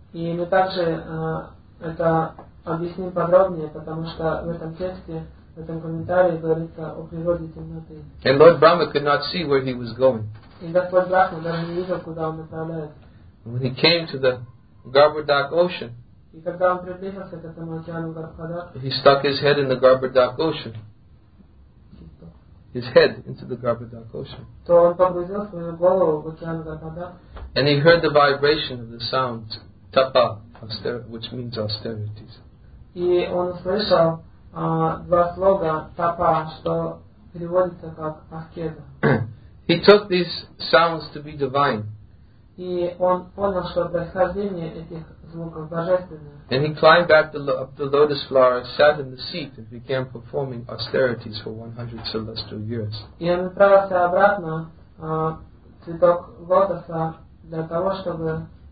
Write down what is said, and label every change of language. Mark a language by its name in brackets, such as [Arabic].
[Russian] И мы также это объясним подробнее, потому что в этом тексте, в этом комментарии говорится о природе темноты. [English] And Lord Brahma could not see where he was going. [Russian] И Господь Брахма даже не видел, куда он направляется. [English] When he came to the Garbhadak ocean, [Russian] и когда он приблизился к этому океану Гарбхадак, [English] he stuck his head in the Garbhadak ocean. His head into the Garbhadak ocean. [Russian] То он погрузил свою голову в океан Гарбхадак. [English] And he heard the vibration of the sounds. Tapa, which means austerities. [Russian] И он услышал два слога тапа, что переводится как аскеза. [English] He took these sounds to be divine. [Russian] И он понял, что происхождение этих звуков божественное. [English] And he climbed back up the lotus flower, sat in the seat, and began performing austerities for 100 celestial years. [Russian] И он отправился обратно цветок лотоса для того, чтобы